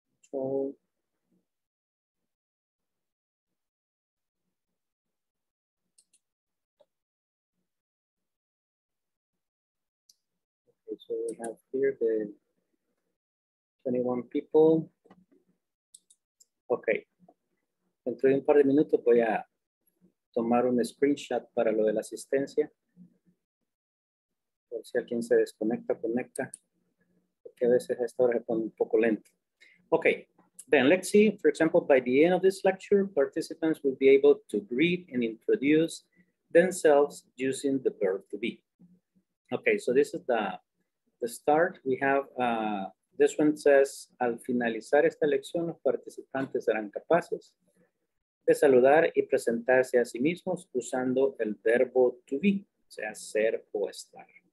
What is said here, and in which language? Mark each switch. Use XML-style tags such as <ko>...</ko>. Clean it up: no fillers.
<en>So, okay, so we have here the 21 people. Okay.</en> <es>Dentro de un par de minutos voy a tomar un screenshot para lo de la asistencia. Por si alguien se desconecta, conecta. Porque a veces a esta hora se pone un poco lento.</es> <en>Okay, then let's see. For example, by the end of this lecture, participants will be able to greet and introduce themselves using the verb to be. Okay, so this is the start. We have this one says,</en> <es>al finalizar esta lección, los participantes serán capaces de saludar y presentarse a sí mismos usando el verbo to be, o sea, ser o estar.</es>